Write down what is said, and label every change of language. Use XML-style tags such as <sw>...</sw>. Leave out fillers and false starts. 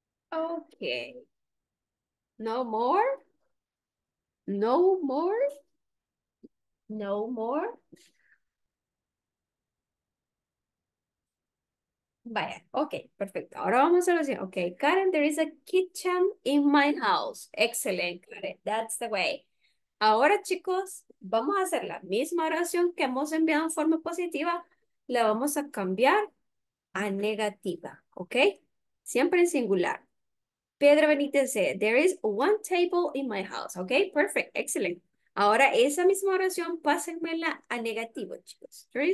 <en>Okay. No more? No more? No more?</en> <es>Vaya, ok, perfecto. Ahora vamos a lo siguiente.</es> <en>Ok, Karen, there is a kitchen in my house. Excellent, Karen. That's the way.</en> <es>Ahora, chicos, vamos a hacer la misma oración que hemos enviado en forma positiva. La vamos a cambiar a negativa, ok? Siempre en singular. Pedro Benítez dice,</es> <en>there is one table in my house. Ok, perfect, excellent.</en> <es>Ahora, esa misma oración, pásenmela a negativo, chicos.</es>